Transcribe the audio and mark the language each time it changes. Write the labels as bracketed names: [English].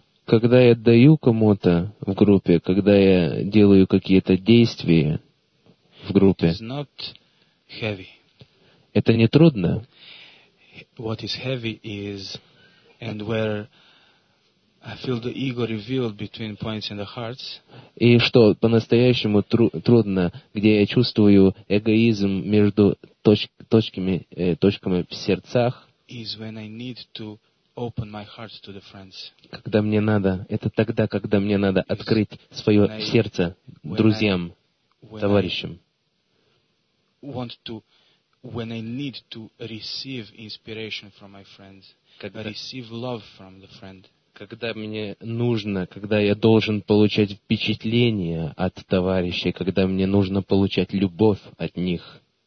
[Russian] когда я даю кому-то в группе, когда я делаю какие-то действия в группе, [English] it is not heavy. [Russian] Это не трудно. [English] What is heavy is, and where I feel the ego revealed between points in the hearts. [Russian] И что по-настоящему трудно, где я чувствую эгоизм между точками в сердцах, [English] is when I need to open my heart to the friends. [Russian] Когда мне надо, это тогда, когда мне надо открыть свое сердце друзьям, товарищам. [English] When I need to receive inspiration from my friends, receive love from the friend. [Russian] Когда мне нужно, когда я должен получать впечатление от товарищей, когда мне нужно получать любовь от них.